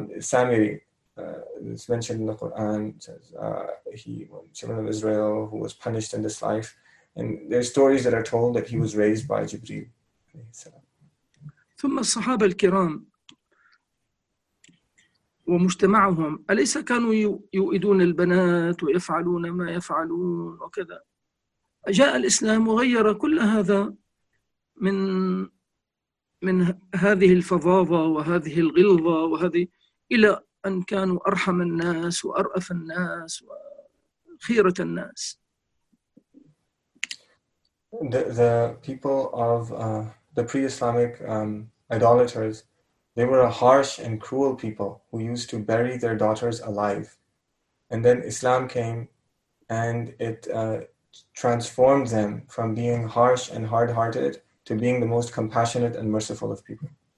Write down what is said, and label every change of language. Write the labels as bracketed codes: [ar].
[en] Samiri, it's mentioned in the Quran, says he was children of Israel who was punished in this life, and there's stories that are told that he was raised by Jibril. [ar] ثم الصحابة الكرام ومجتمعهم أليس كانوا يؤيدون البنات ويفعلون ما يفعلون وكذا؟ جاء الإسلام وغير كل هذا من هذه الفظاظة وهذه الغلظة وهذه، إلى أن كانوا أرحم الناس وأرأف الناس وخيرة الناس. [en] The people of the pre-Islamic idolaters, they were a harsh and cruel people who used to bury their daughters alive. And then Islam came and it transformed them from being harsh and hard-hearted to being the most compassionate and merciful of people.